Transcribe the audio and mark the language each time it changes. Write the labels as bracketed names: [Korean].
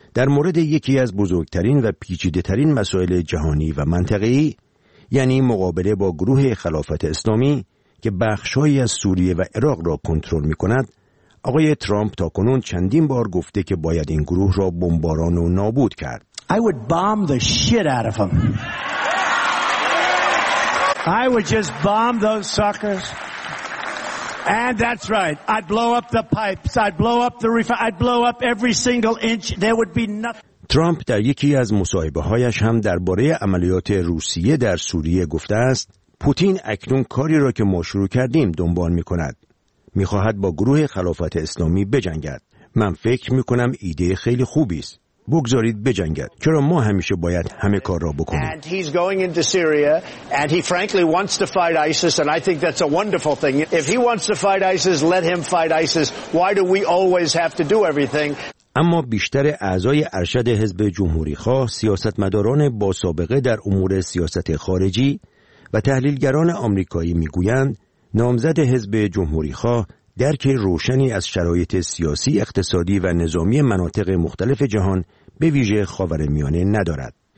[Persian] در مورد یکی از بزرگترین و پیچیده‌ترین مسائل جهانی و منطقه‌ای، یعنی مقابله با گروه خلافت اسلامی که بخش‌هایی از سوریه و عراق را کنترل می‌کند، آقای ترامپ تاکنون چندین بار گفته که باید این گروه را بمباران و نابود کرد. [English] I would bomb the shit out of them. I would just bomb those suckers. And that's right. I'd blow up the pipes. I'd blow up the roof. I'd blow up every single inch. There would be nothing. [Persian] ترامپ در یکی از مصاحبه‌هایش هم درباره عملیات روسیه در سوریه گفته است: پوتین اکنون کاری را که ما شروع کردیم دنبال می‌کند. می‌خواهد با گروه خلافت اسلامی بجنگد. من فکر می‌کنم ایده خیلی خوبی است. بگذارید بجنگد. چرا ما همیشه باید همه کار را بکنیم؟ [English] And he's going into Syria and he frankly wants to fight ISIS and I think that's a wonderful thing. If he wants to fight ISIS, let him fight ISIS. Why do we always have to do everything? [Persian] اما بیشتر اعضای ارشد حزب جمهوری‌خواه سیاستمداران با سابقه در امور سیاست خارجی و تحلیلگران آمریکایی می‌گویند نامزد حزب جمهوری‌خواه درک روشنی از شرایط سیاسی، اقتصادی و نظامی مناطق مختلف جهان به ویژه خاورمیانه ندارد.